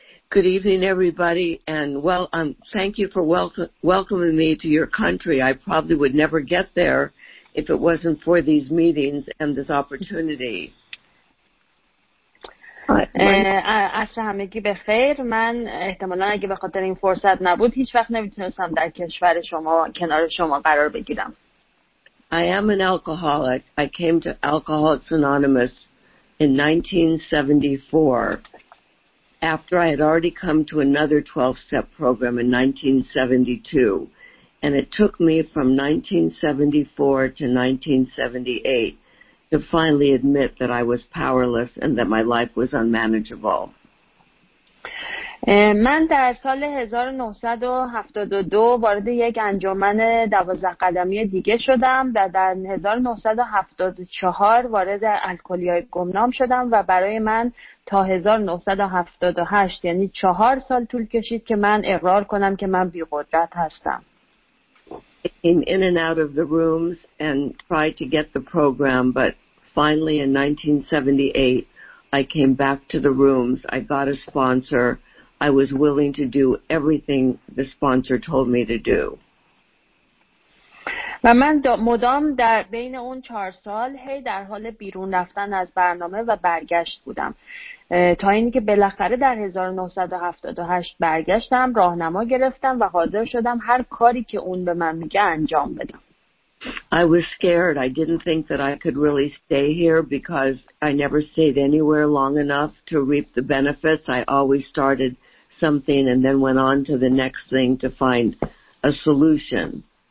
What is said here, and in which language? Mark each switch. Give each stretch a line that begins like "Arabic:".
English: Good evening, everybody, and well, thank you for welcoming me to your country. I probably would never get there if it wasn't for these meetings and this opportunity.
Persian: عصر همگی به خیر. من احتمالاً اگه به خاطر این فرصت نبود هیچ وقت نمیتونستم در کشور شما کنار شما قرار بگیرم.
English: I am an alcoholic. I came to Alcoholics Anonymous in 1974 after I had already come to another 12-step program in 1972. And it took me from 1974 to 1978 to finally admit that I was powerless and that my life was unmanageable.
Persian: من در سال 1972 وارد یک انجمن 12 قدمی دیگه شدم و در 1974 وارد الکلیای گمنام شدم و برای من تا 1978 یعنی 4 سال طول کشید که من اقرار کنم که من بی‌قدرت هستم.
English: Came in and out of the rooms and tried to get the program, but finally, in 1978, I came back to the rooms. I got a sponsor. I was willing to do everything the sponsor told me to do.
Persian: و من مدام در بین اون 4 سال هی در حال بیرون رفتن از برنامه و برگشت بودم. تا اینکه بالاخره در 1978 برگشتم، راهنما گرفتم و حاضر شدم هر کاری که اون به من میگه انجام بدم.
English: I was scared. I didn't think that I could really stay here because I never stayed anywhere long enough to reap the benefits. I always started something and then went on to the next thing to find a solution.